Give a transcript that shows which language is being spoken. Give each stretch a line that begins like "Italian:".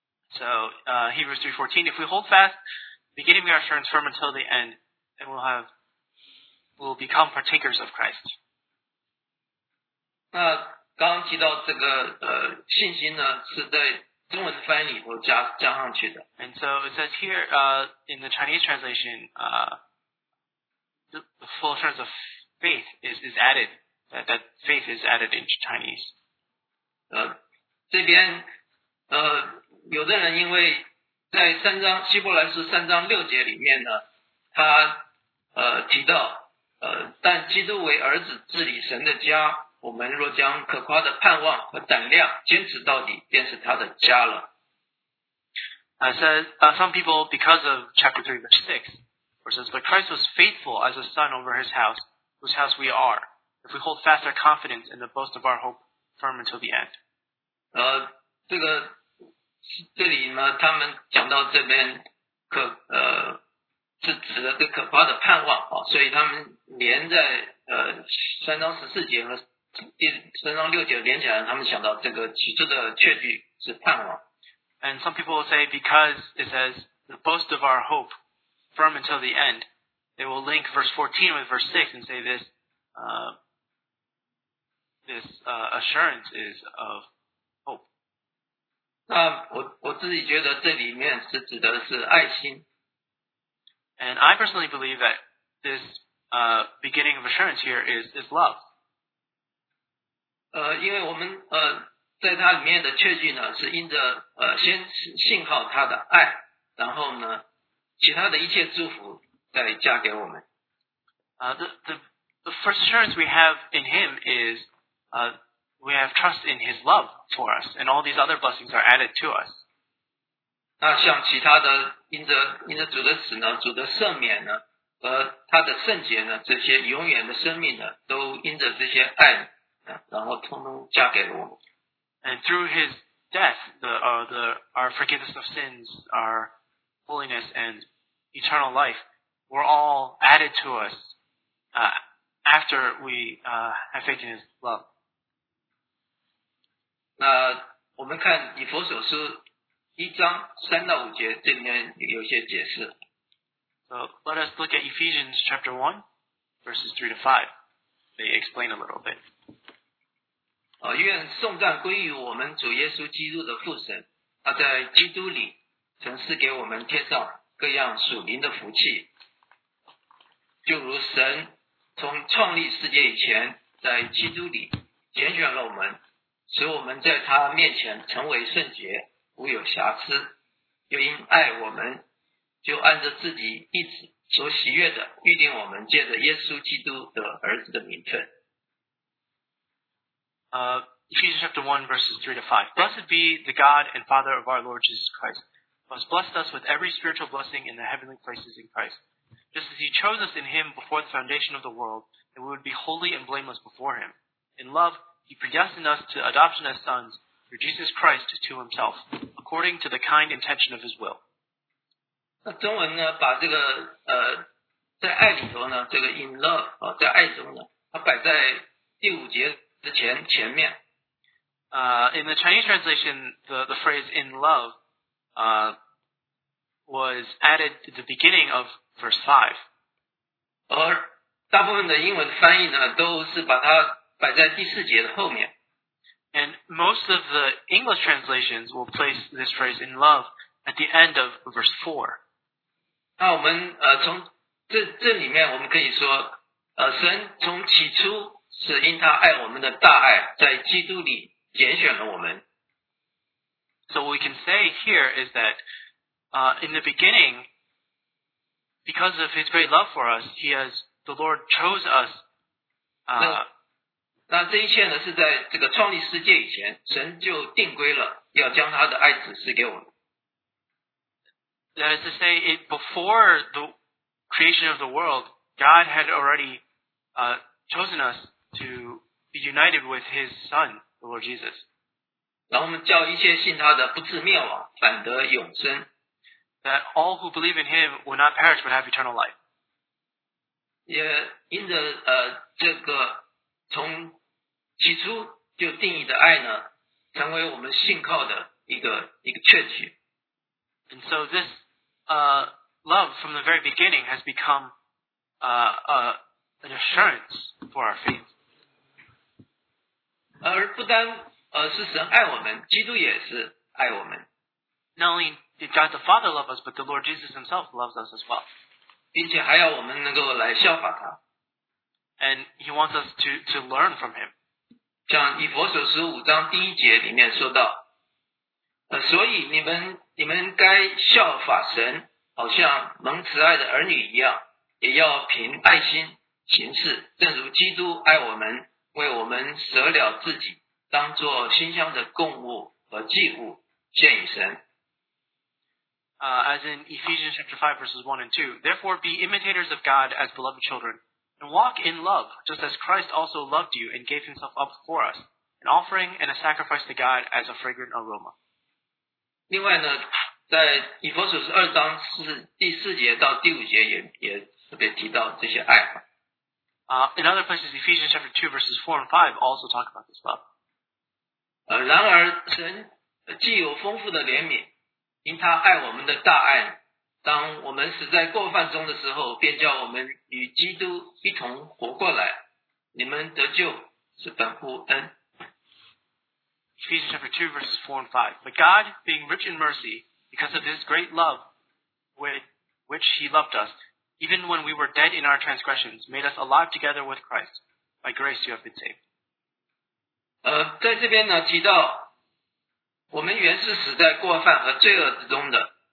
English: So, Hebrews 3:14, if we hold fast, beginning our assurance firm until the end, then we'll become partakers of Christ.
Chinese: 那刚刚提到这个信心呢，是在中文翻译里头加上去的。
English: And so it says here, in the Chinese translation, the full assurance of faith is added, that faith is added in Chinese.
Chinese: 这边有的人因为在三章希伯来书三章六节里面呢，他提到但基督为儿子治理神的家，我们若将可夸的盼望和胆量坚持到底，便是他的家了。
English: I said some people because of chapter 3 verse 6 where says, but Christ was faithful as a son over his house, whose house we are, if we hold fast our confidence and the boast of our hope firm until the end.
Chinese: 这个这里呢，他们讲到这边是指的这可夸的盼望啊，所以他们连在三章十四节和三章六节连起来，他们想到这个起初的确据是盼望。
English: And some people will say because it says the boast of our hope firm until the end, they will link verse 14 with verse 6 and say this assurance is of.
Chinese: 我自己觉得这里面是指的是爱心。
English: And I personally believe that this beginning of assurance here is love.
Chinese: 因为我们在它里面的确据呢，是因着先信靠他的爱，然后呢，其他的一切祝福再加给我们。
English: The first assurance we have in him is we have trust in his love for us, and all these other blessings are added to us.
Chinese: 那像其他的因着主的死呢，主的赦免呢，和他的圣洁呢，这些永远的生命呢，都因着这些爱，然后通通加给了我们。
English: And through his death, our forgiveness of sins, our holiness, and eternal life were all added to us after we have faith in his love.
Chinese: 那我们看以弗所书一章三到五节这里面有些解释。
English: So let us look at Ephesians chapter 1, verses 3 to 5. They explain a little bit.
Chinese: 愿颂赞归于我们主耶稣基督的父神，他在基督里曾赐给我们天上各样属灵的福气，就如神从创立世界以前在基督里拣选了我们，使我们在他面前成为圣洁，无有瑕疵，又因爱我们，就按着自己意志所喜悦的，预定我们借着耶稣基督的儿子的名分。
English: Ephesians chapter 1, verses 3 to 5. Blessed be the God and Father of our Lord Jesus Christ, who has blessed us with every spiritual blessing in the heavenly places in Christ, just as he chose us in him before the foundation of the world, that we would be holy and blameless before him. In love,He predestined us to adoption as sons through Jesus Christ to himself, according to the kind intention of his will.
Chinese: 那中文呢，把这个在爱里头呢，这个
English: in love
Chinese: 啊，在爱中呢，它摆在第五节的前面。
English: In the Chinese translation, the phrase in love was added at the beginning of verse 5.
Chinese: 而大部分的英文翻译呢，都是把它摆在第四节的后面。
English: And most of the English translations will place this phrase in love at the end of verse 4.
Chinese: 那我们从这里面我们可以说神从起初是因他爱我们的大爱，在基督里拣选了我们。
English: So what we can say here is that in the beginning, because of his great love for us, the Lord chose us.
Chinese: 那这一切呢，是在这个创立世界以前，神就定规了，要将他的爱子赐给我们。
English: That is to say, it before the creation of the world, God had already chosen us to be united with His Son, the Lord Jesus.
Chinese: 然后我们叫一切信他的不至灭亡，反得永生。
English: that all who believe in him will not perish but have eternal life.
Chinese: 也因着这个从起初就定义的爱呢，成为我们信靠的一个确据。
English: And so this love from the very beginning has become an assurance for our faith.
Chinese: 而不单是神爱我们，基督也是爱我们。
English: Not only did God the Father love us, but the Lord Jesus Himself loves us as well.
Chinese: 并且还要我们能够来效法他。
English: And He wants us to learn from Him.
Chinese: 像以弗所书五章第一节里面说到，所以你们该效法神，好像蒙慈爱的儿女一样，也要凭爱心行事，正如基督爱我们，为我们舍了自己，当作馨香的供物和祭物献与神。
English: As in Ephesians chapter 5 verses 1 and 2, therefore be imitators of God as beloved children, and walk in love, just as Christ also loved you and gave himself up for us, an offering and a sacrifice to God as a fragrant aroma.
Chinese: 另外呢，在以弗所书二章第四节到第五节也特别提到这些爱。
English: In other places, Ephesians chapter 2 verses 4 and 5 also talk about this love.
Chinese: 然而神既有丰富的怜悯，因他爱我们的大爱，当我们死在过犯中的时候，便叫我们与基督一同活过来。你们得救是本乎恩。
English: Ephesians chapter 2 verses 4 and 5. But God, being rich in mercy, because of his great love with which he loved us, even when we were dead in our transgressions, made us alive together with Christ. By grace you have been saved.
Chinese: 在这边呢提到我们原是死在过犯和罪恶之中的。